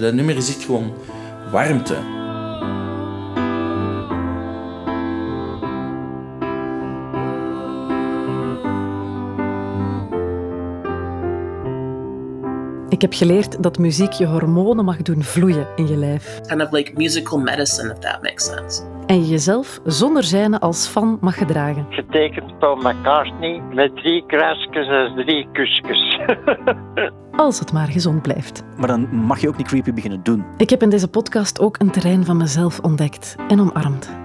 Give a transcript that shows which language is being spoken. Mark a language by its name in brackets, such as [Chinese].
[Dutch] Dat nummer is echt gewoon warmte. Ik heb geleerd dat muziek je hormonen mag doen vloeien in je lijf. [English] Kind of like musical medicine, if that makes sense. [Dutch] En je jezelf zonder zijne als fan mag gedragen. Getekend Paul McCartney met 3 krasjes en 3 kusjes. Als het maar gezond blijft. Maar dan mag je ook niet creepy beginnen doen. Ik heb in deze podcast ook een terrein van mezelf ontdekt en omarmd.